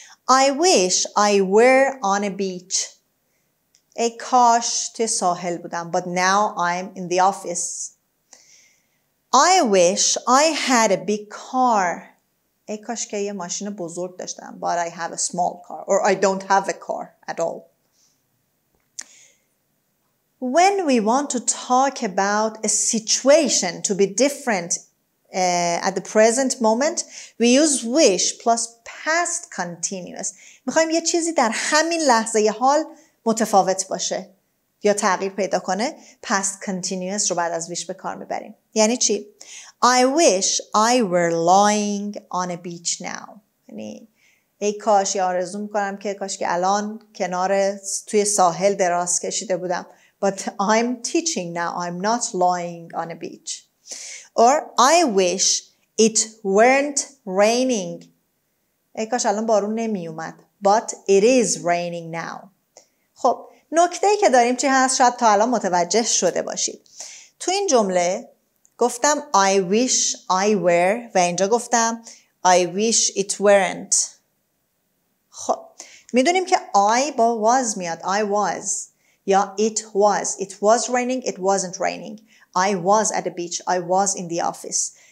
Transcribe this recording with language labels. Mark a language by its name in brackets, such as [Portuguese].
[English] I wish I were on a beach. [Persian] ای کاش توی ساحل بودم. [English] But now I'm in the office. I wish I had a big car. [Persian] ای کاش که یه ماشین بزرگ داشتم. [English] But I have a small car. Or I don't have a car at all. When we want to talk about a situation to be different at the present moment, we use wish plus past continuous. [Persian] میخواییم یه چیزی در همین لحظه یه حال متفاوت باشه یا تغییر پیدا کنه، past continuous رو بعد از wish به کار میبریم. یعنی چی؟ [English] I wish I were lying on a beach now. [Persian] یعنی ای کاش، یا آرزو میکنم که کاش که الان کنار توی ساحل دراز کشیده بودم. [English] But I'm teaching now. I'm not lying on a beach. Or I wish it weren't raining. [Persian] ای کاش الان بارون نمیومد. [English] But it is raining now. [Persian] خب نکته ای که داریم چی هست، شاید تا الان متوجه شده باشید. تو این جمله گفتم [English] I wish I were [Persian] و اینجا گفتم [English] I wish it weren't. [Persian] خب میدونیم که I با was میاد. [English] I was یا it was. It was raining, it wasn't raining. I was at the beach, I was in the office.